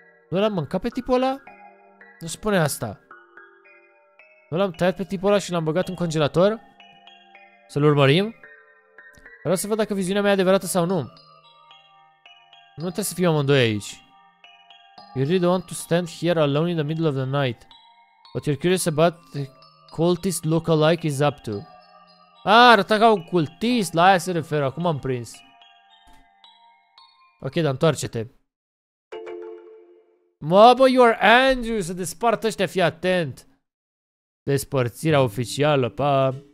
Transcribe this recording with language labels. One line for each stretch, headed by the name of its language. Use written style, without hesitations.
Romanian: Nu l-am mâncat pe tipul ăla? Nu spune asta. Nu l-am tăiat pe tipul ăla și l-am băgat în congelator? Să-l urmărim? Vreau să văd dacă viziunea mea e adevărată sau nu. Nu trebuie să fim amândoi aici.
English: You really don't want to stand here alone in the middle of the night. But you're curious about the cultist look-alike is up to.
Romanian: Arăta ca un cultist, la aia se referă, acum am prins. Ok, dar întoarce-te. Mă, bă,
English: you are Andrew,
Romanian: să despart ăștia, fii atent. Despărțirea oficială, pa.